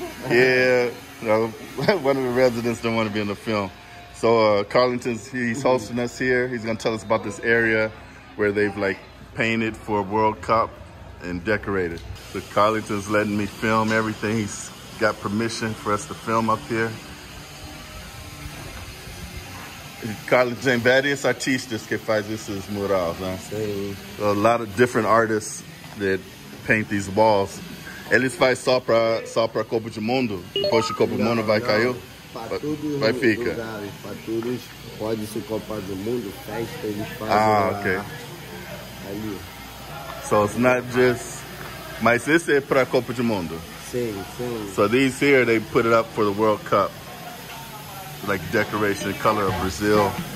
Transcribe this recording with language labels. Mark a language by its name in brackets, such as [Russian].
[English] Yeah, one of the residents don't want to be in the film. So Carlington's, he's hosting us here. He's gonna tell us about this area where they've like painted for World Cup and decorated. So Carlington's letting me film everything. He's got permission for us to film up here. [Portuguese] Carlos tem vários artistas que fazem esses murais, né? Sim. [English] A lot of different artists that paint these walls. [Portuguese] Eles fazem só pra Copa do Mundo? Depois do Copa do Mundo vai cair? Vai ficar. Para todos, pode ser Copa do Mundo, festa, eles fazem. Ah, ok. Ali. [English] So it's not just. [Portuguese] Mas esse é pra Copa do Mundo? Sim, sim. [English] So these here, they put it up for the World Cup. Like decoration, color of Brazil.